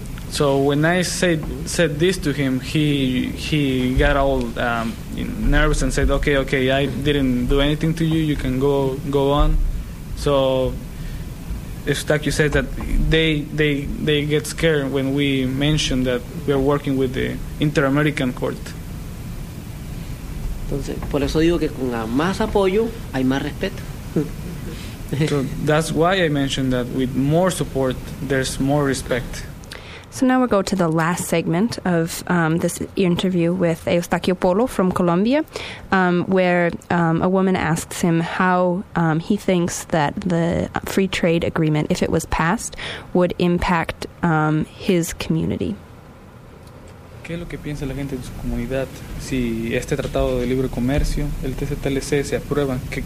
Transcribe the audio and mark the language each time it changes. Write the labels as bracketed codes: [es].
[en] So when I said this to him, he got all nervous and said, okay, I didn't do anything to you. You can go on. So Eustachio said that they get scared when we mention that we are working with the Inter-American Court. [es] Entonces, por eso digo que con más apoyo hay más respeto. [en] So that's why I mentioned that with more support, there's more respect. So now we'll go to the last segment of this interview with Eustachio Polo from Colombia, where a woman asks him how he thinks that the free trade agreement, if it was passed, would impact his community. [es] ¿Qué es lo que piensa la gente de su comunidad si este tratado de libre comercio, el TCTLC, se aprueba?